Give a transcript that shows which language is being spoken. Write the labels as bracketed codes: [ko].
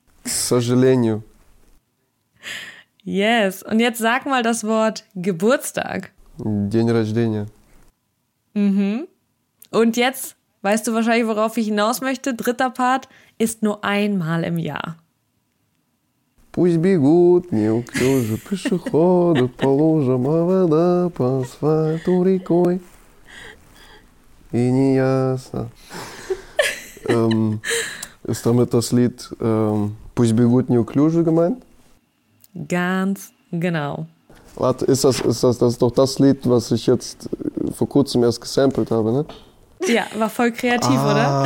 [ru] Сожалению. [de] Yes, und jetzt sag mal das Wort Geburtstag. [ru] День рождения. Mhm. [de] Und jetzt, weißt du wahrscheinlich, worauf ich hinaus möchte, dritter Part, ist nur einmal im Jahr. [ru] Пусть бегут неуклюже пешеходы по лужам, а вода по асфальту рекой. И не ясно. [de] Ist damit das Lied [ru] Пусть бегут неуклюже [de] gemeint? Ganz genau. Warte, ist das doch das Lied, was ich jetzt vor kurzem erst gesampelt habe, ne? Ja, war voll kreativ, oder?